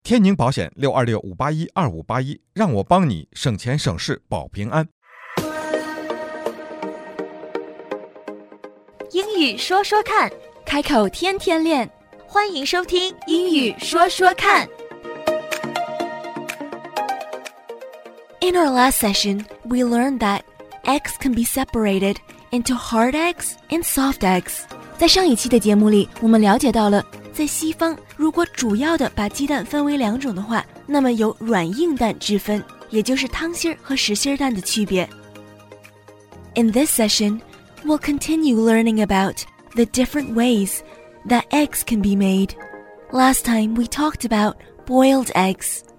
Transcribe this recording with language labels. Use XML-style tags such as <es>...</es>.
<zh>天宁保险626-581-2581，让我帮你省钱省事保平安。英语说说看，开口天天练，欢迎收听英语说说看。</zh> <en>In our last session, we learned that eggs can be separated into hard eggs and soft eggs.</en> <zh>在上一期的节目里，我们了解到了，在西方，如果主要的把鸡蛋分为两种的话，那么有软硬蛋之分，也就是汤心和实心蛋的区别。</zh> <en>In this session, we'll continue learning about the different ways that eggs can be made. Last time, we talked about boiled eggs,</en>